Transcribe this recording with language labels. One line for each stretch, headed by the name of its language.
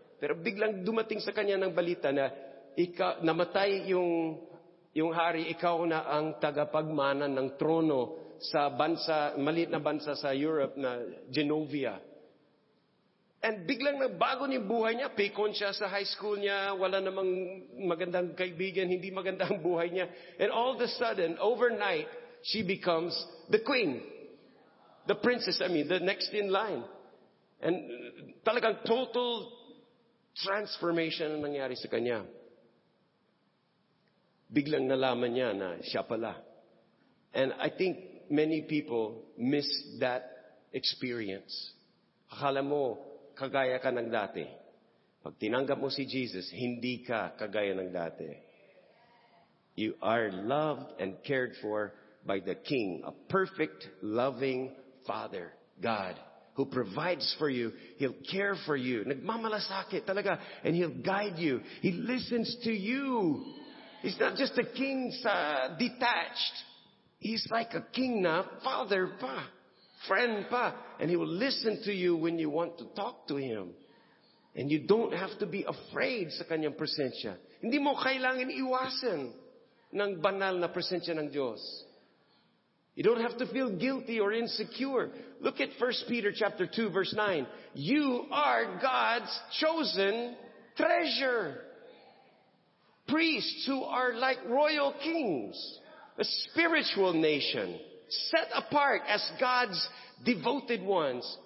Filipino: Pero biglang dumating sa kanya ng balita na namatay yung hari, ikaw na ang tagapagmana ng trono sa bansa, maliit na bansa sa Europe na Genovia. And biglang nagbago yung buhay niya. Pekon siya sa high school niya. Wala namang magandang kaibigan. Hindi maganda ang buhay niya.
English: And all of a sudden, overnight, she becomes the queen. The princess, I mean, the next in line.
Filipino: And talagang
English: total transformation
Filipino: ang nangyari sa kanya. biglang nalaman niya na siya pala.
English: And I think many people miss that experience.
Filipino: Akala mo, kagaya ka ng dati. Pag tinanggap mo si Jesus, hindi ka kagaya ng dati.
English: You are loved and cared for by the King, a perfect, loving Father, God, who provides for you. He'll care for you.
Filipino: Nagmamalasakit talaga.
English: And He'll guide you. He listens to you. He's not just a king sa detached. He's like a king na, father pa, friend pa. And He will listen to you when you want to talk to Him. And you don't have to be afraid
Filipino: sa kanyang presensya. Hindi mo kailangan iwasan ng banal na presensya ng Diyos.
English: You don't have to feel guilty or insecure. Look at 1 Peter chapter 2, verse 9. You are God's chosen treasure. Priests who are like royal kings, a spiritual nation, set apart as God's devoted ones.